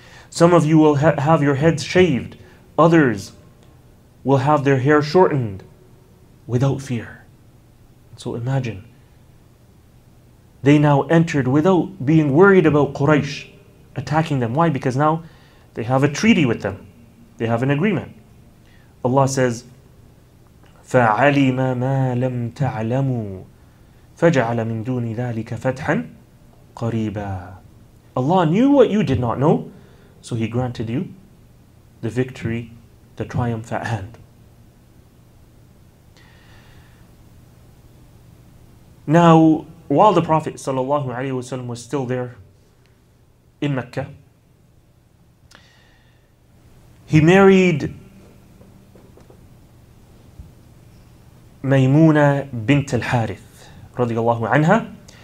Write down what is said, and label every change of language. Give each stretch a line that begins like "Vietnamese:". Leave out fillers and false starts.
English: Some of you will have your heads shaved. Others will have their hair shortened without fear. So imagine, they now entered without being worried about Quraysh attacking them. Why? Because now they have a treaty with them. They have an agreement. Allah says,
Arabic: فَعَلِمَ مَا لَمْ تَعْلَمُوا فَجَعَلَ مِن دُونِ ذَٰلِكَ فَتْحًا قَرِيبًا.
English: Allah knew what you did not know, so He granted you the victory, the triumph at hand. Now, while the Prophet ﷺ was still there in Mecca, he married Maymuna bint al-Harith radiallahu anha.